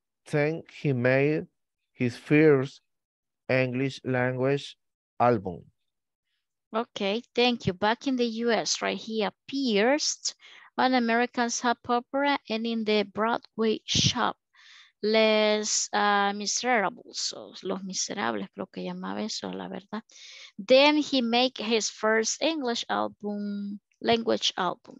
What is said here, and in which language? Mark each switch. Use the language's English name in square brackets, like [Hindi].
[English] Then he made his first English language album. Okay, thank you. Back in the US, right? He appeared on American soap opera and in the Broadway show Les Miserables. [Spanish] So, Los Miserables, creo que llamaba eso, la verdad. [English] Then he make his first English album, language album.